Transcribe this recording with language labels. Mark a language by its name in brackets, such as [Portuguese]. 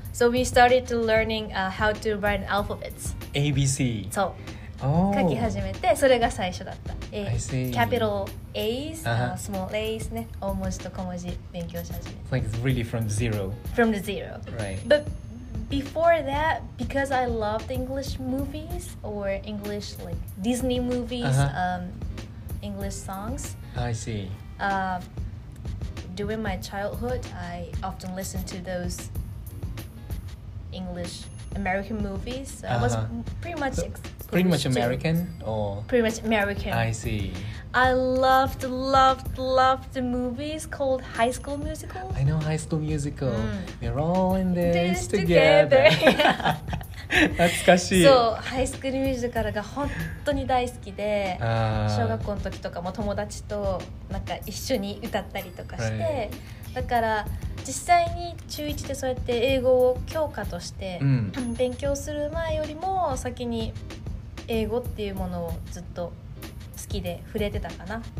[English] So we started to learning how to write alphabets. ABC. [Japanese] そう。 [English] Oh. [Japanese] 書き始めて、それが最初だった。 [English] I see. Capital A's,、small A's ね。 [Japanese] 大文字と小文字勉強し始め [English] て。Like really from zero. From the zero. Right. But before that, because I loved English movies or English like Disney movies,、English songs. I see. During my childhood, I often listened to those English American movies. So、I was pretty much American, or pretty much American. I see. I loved the movies called High School Musical. I know High School Musical.、We're all in this together. [Japanese] 懐かしい。そう、ハイスクールミュージカルが本当に大好きで、小学校の時とかも友達となんか一緒に歌ったりとかして、だから実際に中1でそうやって英語を教科として勉強する前よりも先に英語っていうものをずっと好きで触れてたかな。